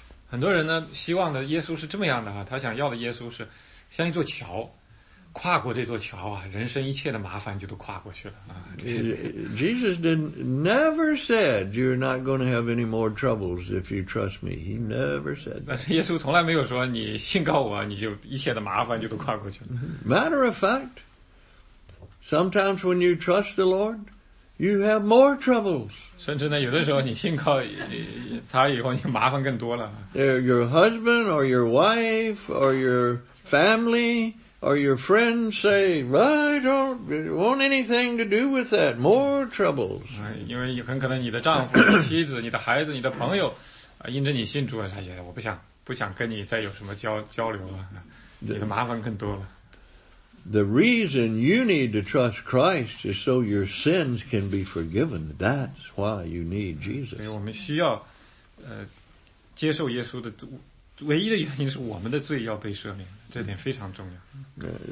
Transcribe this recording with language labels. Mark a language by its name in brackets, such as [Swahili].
[Chinese] 很多人呢，希望的耶稣是这么样的哈，他想要的耶稣是，像一座桥，跨过这座桥啊，人生一切的麻烦就都跨过去了啊。 [English] Jesus never said you're not going to have any more troubles if you trust me. He never said that. [Chinese] 耶稣从来没有说你信靠我你就一切的麻烦就都跨过去了。 [English] Matter of fact, sometimes when you trust the Lord,You have more troubles. [Chinese] 甚至呢，有的时候你信靠他以后，你麻烦更多了。 [English] Your husband or your wife or your family or your friends say, "I don't want anything to do with that." More troubles. [Chinese] 因为很可能你的丈夫、妻子、你的孩子、你的朋友，因着你信主，他觉得我不想跟你再有什么交流了，你的麻烦更多了。 [English] The reason you need to trust Christ is so your sins can be forgiven. That's why you need Jesus. [Chinese] 所以我们需要，接受耶稣的唯一的原因是我们的罪要被赦免，这点非常重要。